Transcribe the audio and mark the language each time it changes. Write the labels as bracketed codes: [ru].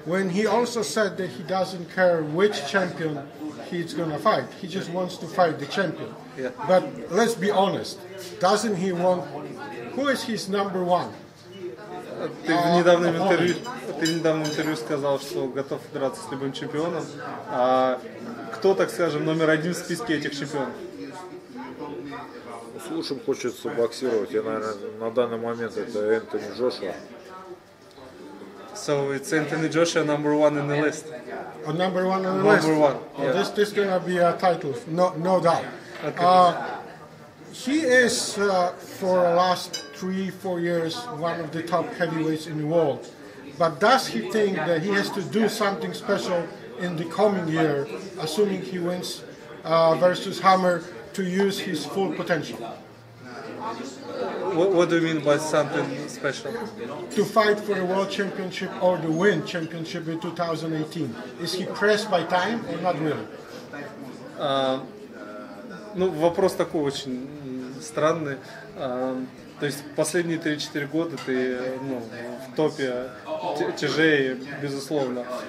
[en] When he also said that he doesn't care which champion he's going to fight. He just wants to fight the champion. Yeah. But let's be honest, doesn't he want, who is his number one? [ru] Ты недавно в интервью сказал, что готов драться с любым чемпионом. А кто, так скажем, номер один в списке этих чемпионов? Ну, слушаем, хочется боксировать. Я, наверное, на данный момент это Энтони Джошуа. [en] So it's Anthony Joshua number one in the list. Oh, number one on the number list. Number one. Yeah. Oh, this is gonna be a title, no doubt. Okay. He is for the last 3-4 years one of the top heavyweights in the world. But does he think that he has to do something special in the coming year, assuming he wins versus Hammer, to use his full potential? What do you mean by something special? To fight for the world championship or the win championship in 2018. Is he pressed by time or not really? [ru] Ну, вопрос такой очень странный. То есть последние 3-4 года ты, ну, в топе тяжелее, безусловно.